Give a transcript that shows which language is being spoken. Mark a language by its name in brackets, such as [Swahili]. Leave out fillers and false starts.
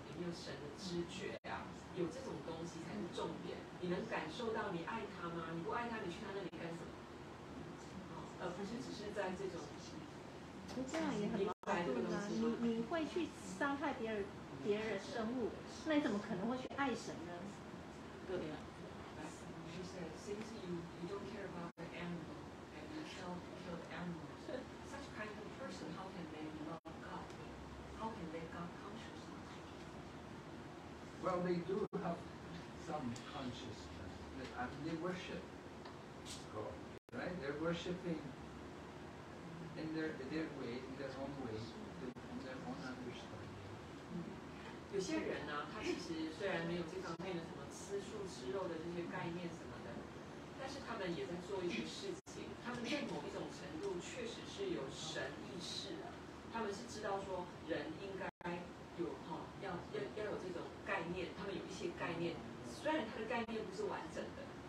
[Chinese] 有没有神的知觉啊？有这种东西才是重点。你能感受到你爱他吗？你不爱他，你去他那里干什么？不是只是在这种，这样也很矛盾啊！你会去伤害别人的生物，那你怎么可能会去爱神呢？对呀。 [English] She said, since you don't care about the animal and you shall kill animals, such kind of person, how can they Well, they do have some consciousness. They worship. Right? They're worshipping in their way, in their own way, in their own understanding. [Chinese] 有些人呢，他其实虽然没有这方面的什么吃素吃肉的这些概念什么的，但是他们也在做一些事情。他们在某一种程度确实是有神意识的，他们是知道说人应该有哈、哦，要有这种概念，他们有一些概念，虽然他的概念不是完整的。